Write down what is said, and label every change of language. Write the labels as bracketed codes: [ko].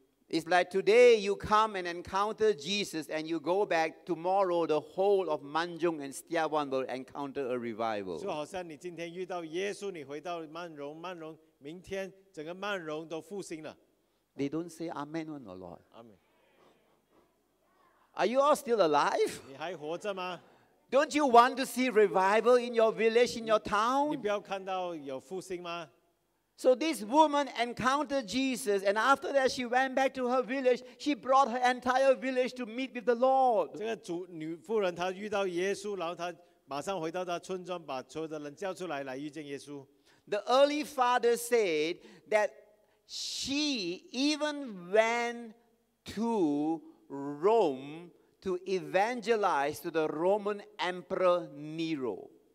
[en] It's like today you come and encounter Jesus and you go back. Tomorrow the whole of Manjung and Stiawan will encounter a revival. So, [zh] 好像你今天遇到耶稣，你回到曼荣，明天整个曼荣都复兴了。 [en] They don't say Amen or Lord. Amen. Are you all still alive? [zh] 你还活着吗？ [en] Don't you want to see revival in your village, in your town? [zh] 你不要看到有复兴吗？ [en] So this woman encountered Jesus, and after that, she went back to her village. She brought her entire village to meet with the Lord. [zh] 这个女妇人她遇到耶稣，然后她马上回到她村庄，把所有的人叫出来，来遇见耶稣。 [en] The early fathers said that she even went to Rome to evangelize to the Roman Emperor Nero.